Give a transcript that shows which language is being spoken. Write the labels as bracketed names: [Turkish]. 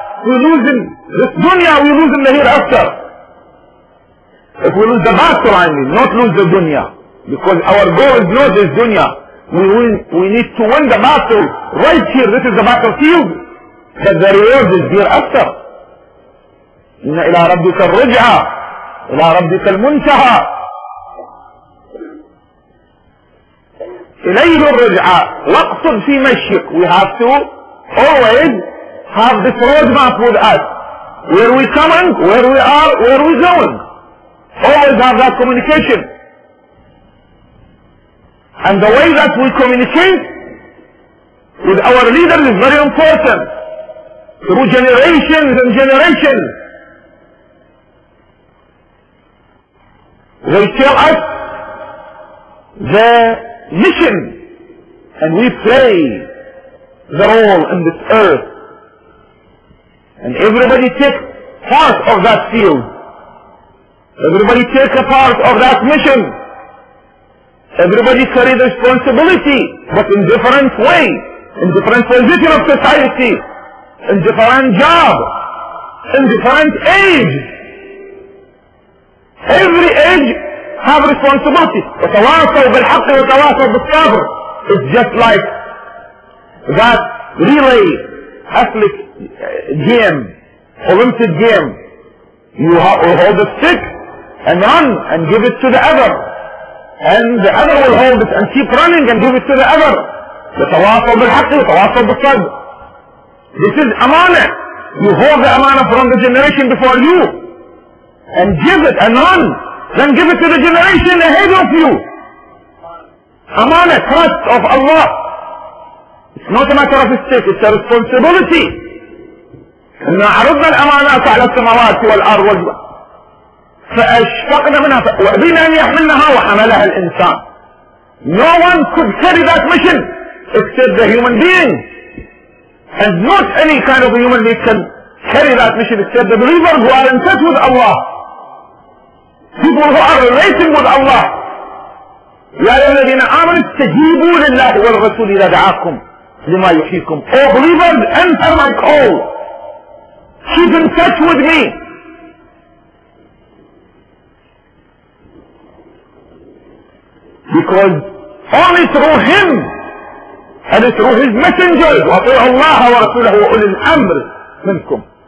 [English] We lose in this dunya, we lose in the hereafter. If we lose the battle, I mean, not lose the dunya. Because our goal is not this dunya. We need to win the battle right here. This is the battlefield. But the reward is hereafter. [Arabic] إن إلى ربك الرجعة إلى ربك المنتهى إليه الرجعة واقصد في مشيك. [English] We have to always have this roadmap with us. Where we coming, where we are, where we going. Always have that communication. And the way that we communicate with our leaders is very important. Through generations and generations. They tell us the mission and we play the role in this earth. And everybody take part of that field. Everybody take a part of that mission. Everybody carry the responsibility, but in different way, in different position of society, in different job, in different age. Every age have responsibility. [Arabic] وتواصل بالحق وتواصل بالصبر. [English] It's just like that relay, athletic game, Olympic game. You hold the stick and run and give it to the other. And the other will hold it and keep running and give it to the other. [Arabic] وتواصل بالحق وتواصل بالصبر. [English] This is amana. You hold the amana from the generation before you. And give it and run. Then give it to the generation ahead of you. Amana, trust of Allah. It's not a matter of a stick, it's a responsibility. [Arabic] إن عرضنا الأمانات على السماوات والأرض فأشفقنا منها وأبينا أن يحملناها وحملها الإنسان. [English] No one could carry that mission except the human being. And not any kind of human being can carry that mission except the believers who are in touch with Allah. People who are relating with Allah. [Arabic] يا الذين آمنوا استجيبوا لله والرسول إذا دعاكم لما يحييكم. [English] Oh believers, answer my call. Keep in touch with me. Because only through him and through his messenger, [Arabic] وَأَطِعُوا اللَّهَ وَرَسُولَهُ وَأُولِي الْأَمْرِ مِنْكُمْ.